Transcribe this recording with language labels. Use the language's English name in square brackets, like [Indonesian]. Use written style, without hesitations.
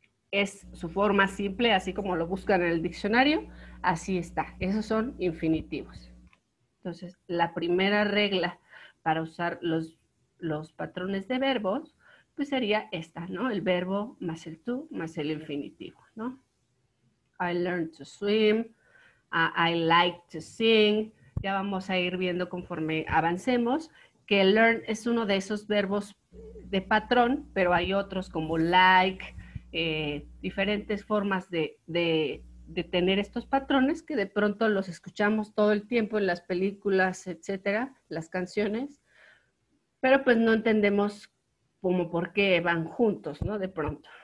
[Spanish] Es su forma simple, así como lo buscan en el diccionario, así está. Esos son infinitivos. Entonces, la primera regla para usar los patrones de verbos, pues sería esta, ¿no? El verbo más el tú más el infinitivo, ¿no? [English] I learned to swim, I like to sing. [Spanish] Ya vamos a ir viendo conforme avancemos que learn es uno de esos verbos de patrón, pero hay otros como like, diferentes formas de tener estos patrones que de pronto los escuchamos todo el tiempo en las películas, etcétera, las canciones, pero pues no entendemos como por qué van juntos, ¿no? De pronto.